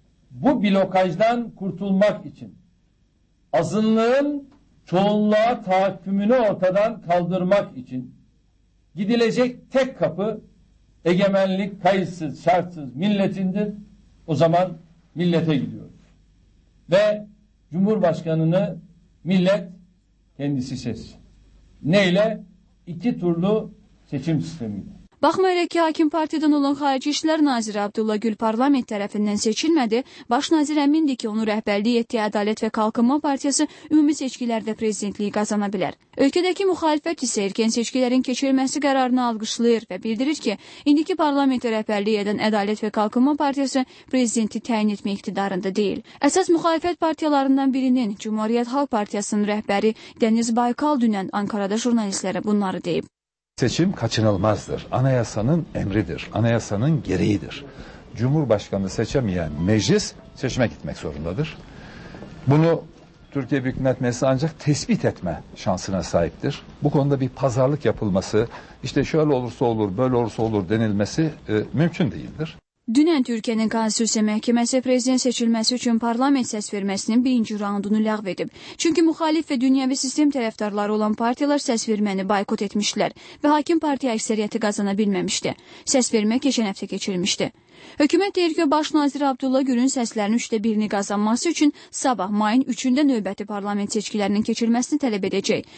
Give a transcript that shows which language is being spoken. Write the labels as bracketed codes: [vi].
[tr] Bu blokajdan kurtulmak için azınlığın çoğunluğa tahakkümünü ortadan kaldırmak için gidilecek tek kapı egemenlik kayıtsız, şartsız milletindir. O zaman millete gidiyoruz. Ve Cumhurbaşkanını millet kendisi seçsin. Neyle? İki turlu seçim sistemiyle. [az] Baxmayaraq ki, hakim partiyadan olan Xarici İşlər Naziri Abdullah Gül parlament tərəfindən seçilmədi, başnazir əmindir ki, onu rəhbərliyi etdiyi Ədalət və Qalqınma Partiyası ümumi seçkilərdə prezidentliyi qazana bilər. Ölkədəki müxalifət isə erkən seçkilərin keçirilməsi qərarını alqışlayır və bildirir ki, indiki parlament rəhbərliyi edən Ədalət və Qalqınma Partiyası prezidenti təyin etmək iqtidarında deyil. Əsas müxalifət partiyalarından birinin, Cümhuriyyət Xalq Partiyasının rəhbəri Dəniz Baykal dünən Ankarada jurnalistlərə bunları deyib. [tr] Seçim kaçınılmazdır. Anayasanın emridir. Anayasanın gereğidir. Cumhurbaşkanı seçemeyen meclis seçime gitmek zorundadır. Bunu Türkiye Büyük Millet Meclisi ancak tespit etme şansına sahiptir. Bu konuda bir pazarlık yapılması, işte şöyle olursa olur, böyle olursa olur denilmesi mümkün değildir. [az] Dünən Türkiyənin Konstitusiya Məhkəməsi prezident seçilməsi üçün parlament səs verməsinin birinci raundunu ləğv edib. Çünki müxalif və dünyəvi sistem tərəfdarları olan partiyalar səs verməni boykot etmişlər və hakim partiya əksəriyyəti qazana bilməmişdi. Səs vermə keçən həftə keçirilmişdi. Hökumət deyir ki, başnazir Abdullah Gülün səslərinin üçdə birini qazanması üçün sabah mayın 3-də növbəti parlament seçkilərinin keçirilməsini tələb edəcək.